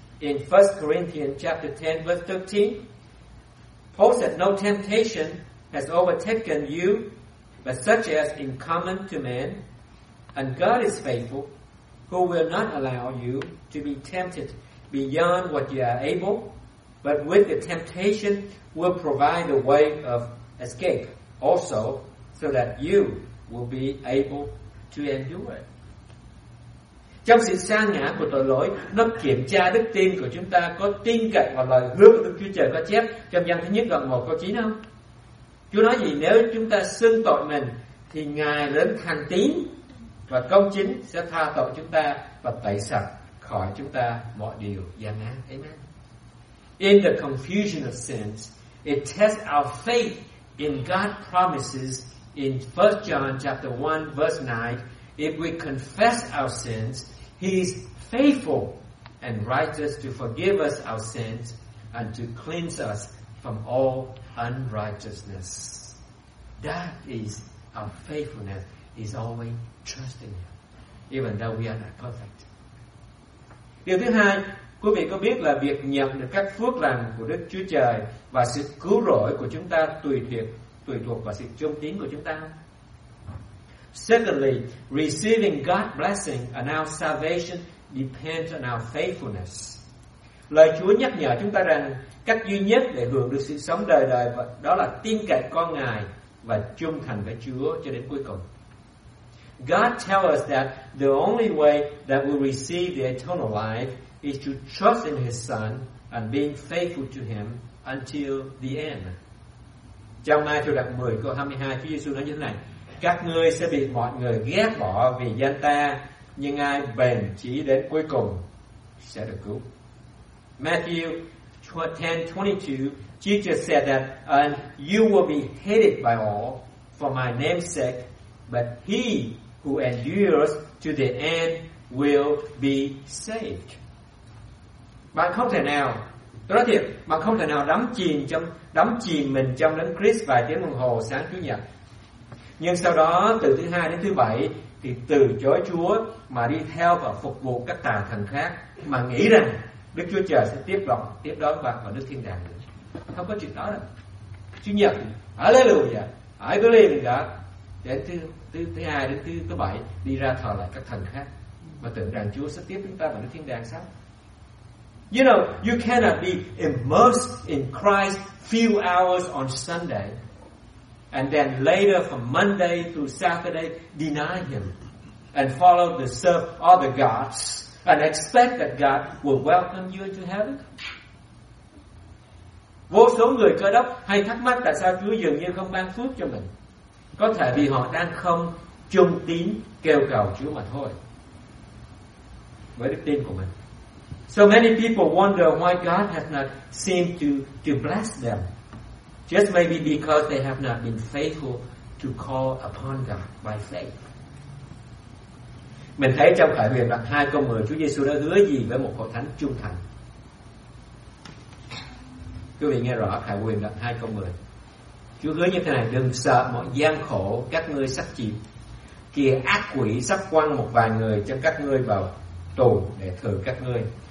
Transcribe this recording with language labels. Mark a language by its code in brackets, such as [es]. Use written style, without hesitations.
[en] In 1 Corinthians chapter 10 verse 13, Paul said, "No temptation has overtaken you, but such as is common to man, and God is faithful, who will not allow you to be tempted beyond what you are able, but with the temptation will provide a way of escape also, so that you will be able to endure it." [vi] Trong sự sa ngã của tội lỗi, nó kiểm tra đức tin của chúng ta có tin cậy vào lời hứa của Đức Chúa Trời có chép trong Giăng thứ nhất đoạn 1 câu 9 không? Chúa nói gì? Nếu chúng ta xưng tội mình thì Ngài lớn thành tín và công chính sẽ tha tội chúng ta và tẩy sạch khỏi chúng ta mọi điều gian ngã. Amen. [en] In the confusion of sins, it tests our faith in God's promises. In 1 John chapter 1 verse 9, if we confess our sins, He is faithful and righteous to forgive us our sins and to cleanse us from all unrighteousness. That is our faithfulness, is always trusting Him, even though we are not perfect. [vi] Điều thứ hai, Quý vị có biết là việc nhận được các phước lành của Đức Chúa Trời và sự cứu rỗi của chúng ta tùy thuộc vào sự trung tín của chúng ta không? [en] Secondly, receiving God's blessing and our salvation depends on our faithfulness. [vi] Lời Chúa nhắc nhở chúng ta rằng cách duy nhất để hưởng được sự sống đời đời đó là tin cậy con Ngài và trung thành với Chúa cho đến cuối cùng. [en] God tells us that the only way that we receive the eternal life is to trust in His Son and being faithful to Him until the end. [vi] Trong Ma-thi-ơ chương 10 câu 22, Chúa Giê-su nói như thế này: Các ngươi sẽ bị mọi người ghét bỏ vì danh ta, nhưng ai bền chí đến cuối cùng sẽ được cứu. [en] Matthew 10:22, Jesus said that, and you will be hated by all for my name's sake, but he who endures to the end will be saved. [vi] Bạn không thể nào, tôi nói thiệt, bạn không thể nào đắm chìm mình trong đấng Christ vài tiếng đồng hồ sáng Chủ nhật, nhưng sau đó từ thứ hai đến thứ bảy thì từ chối Chúa mà đi theo và phục vụ các tà thần khác, mà nghĩ rằng Đức Chúa Trời sẽ tiếp đón bạn vào nước thiên đàng. Không có chuyện đó đâu. Chủ nhật, [en] hallelujah, I believe in God. [vi] Đến thứ hai đến thứ bảy đi ra thờ lại các thần khác và tưởng rằng Chúa sẽ tiếp chúng ta vào nước thiên đàng sao? [en] You know, you cannot be immersed in Christ few hours on Sunday and then later from Monday to Saturday deny Him and follow the serve other gods and expect that God will welcome you to heaven. [vi] Vô số người Cơ Đốc hay thắc mắc tại sao Chúa dường như không ban phước cho mình. Có thể vì họ đang không trung tín kêu cầu Chúa mà thôi. Với đức tin của mình. [en] So many people wonder why God has not seemed to bless them. Just maybe because they have not been faithful to call upon God by faith. [vi] Mình thấy trong Khải Huyền đoạn 2 câu 10 Chúa Giê-xu đã hứa gì với một hội thánh trung thành. Quý vị nghe rõ Khải Huyền đoạn 2 câu 10. Chúa hứa như thế này: đừng sợ mọi gian khổ các ngươi sắp chịu. Kìa, ác quỷ sắp quăng một vài người cho các ngươi vào tù để thử các ngươi.